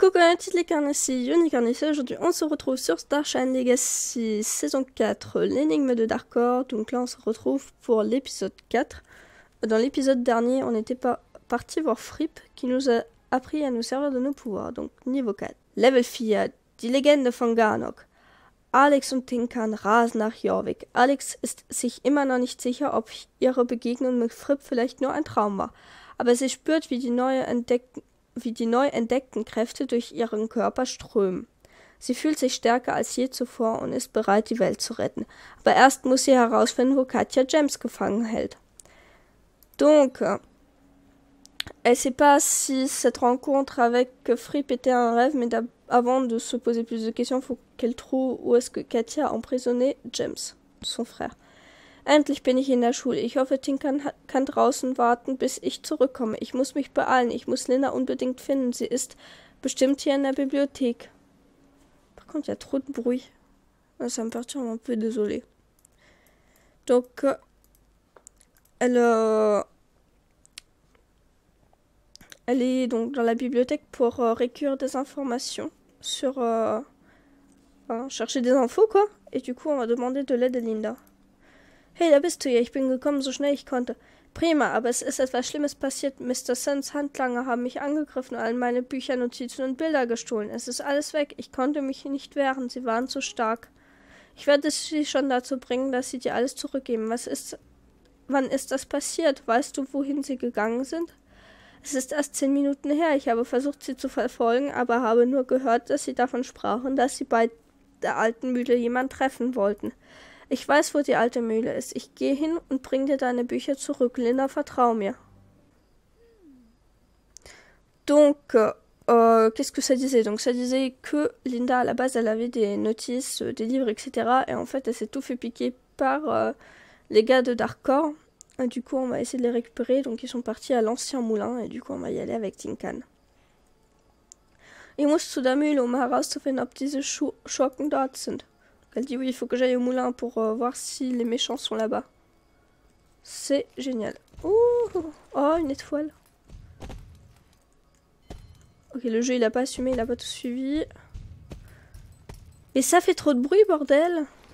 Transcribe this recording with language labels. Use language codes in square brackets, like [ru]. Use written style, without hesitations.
[fr] Toutes les carnes ici, Yonic Arnissa, aujourd'hui on se retrouve sur Starshine Legacy saison 4, l'énigme de Darkor. Donc là on se retrouve pour l'épisode 4. Dans l'épisode dernier, on était parti voir Fripp qui nous a appris à nous servir de nos pouvoirs, donc niveau 4. [de] Level Fia, die Legende von Garnok. Alex und Tinkan rasen nach Jorvik. Alex ist sich immer noch nicht sicher, ob ihre Begegnung mit Fripp vielleicht nur ein Traum war. Aber sie spürt, wie die neue Entdeckung. Wie die neu entdeckten Kräfte durch ihren Körper strömen. Sie fühlt sich stärker als je zuvor und ist bereit, die Welt zu retten. Aber erst muss sie herausfinden, wo Katja James gefangen hält. [fr] Donc, elle sait pas si cette rencontre avec Fripp était un rêve, mais avant de se poser plus de questions, faut qu'elle trouve où est-ce que Katja a emprisonné James, son frère. [de] Endlich bin ich in der Schule. Ich hoffe, Tinkan kann draußen warten, bis ich zurückkomme. Ich muss mich beeilen. Ich muss Lina unbedingt finden. Sie ist bestimmt hier in der Bibliothek. [fr] Par contre, il y a trop de bruit. Ça me perturbe un peu, désolé. Donc, elle est donc dans la bibliothèque pour récupérer des informations sur... chercher des infos, quoi. Et du coup, on va demander de l'aide à Linda. [de] Hey, da bist du ja. Ich bin gekommen, so schnell ich konnte. Prima, aber es ist etwas Schlimmes passiert. Mr. Sens Handlanger haben mich angegriffen und all meine Bücher, Notizen und Bilder gestohlen. Es ist alles weg. Ich konnte mich nicht wehren. Sie waren zu stark. Ich werde sie schon dazu bringen, dass sie dir alles zurückgeben. Wann ist das passiert? Weißt du, wohin sie gegangen sind? Es ist erst 10 Minuten her. Ich habe versucht, sie zu verfolgen, aber habe nur gehört, dass sie davon sprachen, dass sie bei der alten Mühle jemand treffen wollten. Ich weiß, wo die alte Mühle ist. Ich gehe hin und bring dir deine Bücher zurück. Linda, vertrau mir. [fr] Donc, qu'est-ce que ça disait? Donc, ça disait que Linda, à la base, elle avait des notices, des livres, etc. Et en fait, elle s'est tout fait piquer par les gars de Darkor. Et du coup, on va essayer de les récupérer. Donc, ils sont partis à l'ancien moulin. Et du coup, on va y aller avec Tinkan. [de] Ich muss zu der Mühle, um herauszufinden, ob diese Schurken dort sind. [fr] Elle dit oui, il faut que j'aille au moulin pour voir si les méchants sont là-bas. C'est génial. Ouh, oh, une étoile. Ok, le jeu il a pas assumé, il a pas tout suivi. Et ça fait trop de bruit, bordel.